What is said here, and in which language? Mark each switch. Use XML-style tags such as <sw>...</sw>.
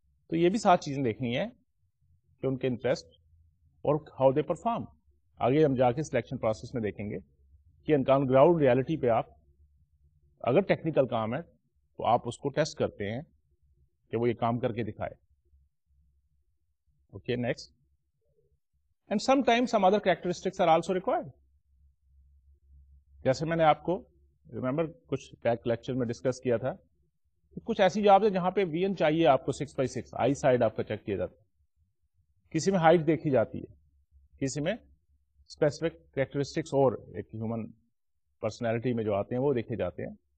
<ur>تو یہ بھی سات چیزیں دیکھنی ہیں کہ ان کے انٹرسٹ اور</ur> <en>How they perform.</en> <ur>آگے ہم جا کے سلیکشن پروسیس میں دیکھیں گے کہ ان کا آن گراؤنڈ ریالٹی پہ آپ اگر ٹیکنیکل کام ہے تو آپ اس کو ٹیسٹ کرتے ہیں کہ وہ یہ کام کر کے دکھائے.</ur> <en>Okay, next. And sometimes some other characteristics are also required.</en> <ur>جیسے میں نے آپ کو ریمبر کچھ بیک لیکچر میں ڈسکس کیا تھا, کچھ ایسی جابز ہیں جہاں پہ وی این چاہیے آپ کو 6x6, آئی سائڈ آپ کا چیک کیا جاتا ہے, کسی میں ہائٹ دیکھی جاتی ہے, کسی میں اسپیسیفک کریکٹرسٹکس اور ایک ہیومن پرسنالٹی میں جو آتے ہیں وہ دیکھے جاتے ہیں.</ur>